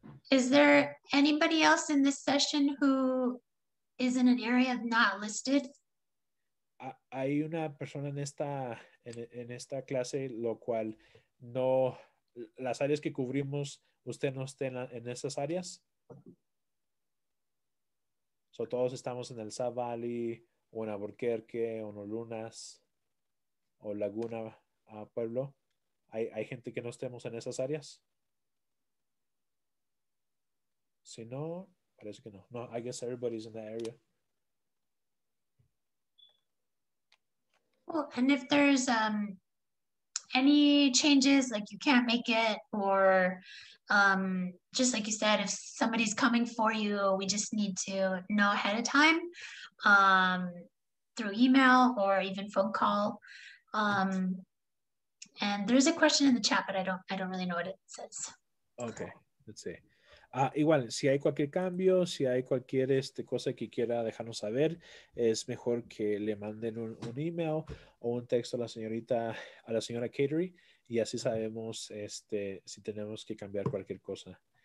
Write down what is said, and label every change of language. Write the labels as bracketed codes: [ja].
[en] Is there anybody else in this session who is in an area not listed? [es] Hay una persona en esta clase, lo cual no, las áreas que cubrimos, usted no esté en esas áreas. So, todos estamos en el South Valley, o en Albuquerque, o en Lunas, o Laguna, Pueblo. ¿Hay gente que no estemos en esas áreas? Si no, parece que no. No, [en] I guess everybody's in that area. Well, and if there's any changes, like you can't make it, or just like you said, if somebody's coming for you, we just need to know ahead of time through email or even phone call. And there's a question in the chat, but I don't really know what it says. Okay, let's see. [es] Igual, si hay cualquier cambio, si hay cualquier cosa que quiera dejarnos saber, es mejor que le manden un email o un texto a la señora Catery, y así sabemos si tenemos que cambiar cualquier cosa.